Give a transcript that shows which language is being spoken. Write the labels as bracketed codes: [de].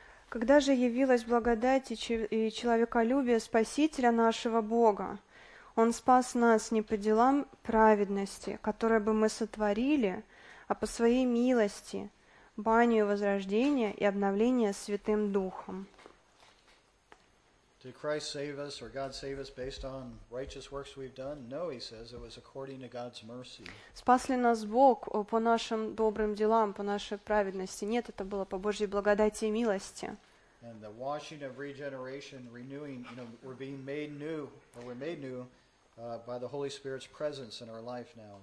[ru] Когда же явилась благодать и человеколюбие Спасителя нашего Бога? Он спас нас не по делам праведности, которые бы мы сотворили, а по своей милости, банию возрождения и обновления Святым Духом. [en] Did Christ save us or God save us based on righteous works we've done? No, he says it was according to God's mercy. [ru] Спас ли нас Бог по нашим добрым делам, по нашей праведности? Нет, это было по Божьей благодати и милости. [en] And the washing of regeneration, renewing, you know, we're being made new, or we're made new by the Holy Spirit's presence in our life now.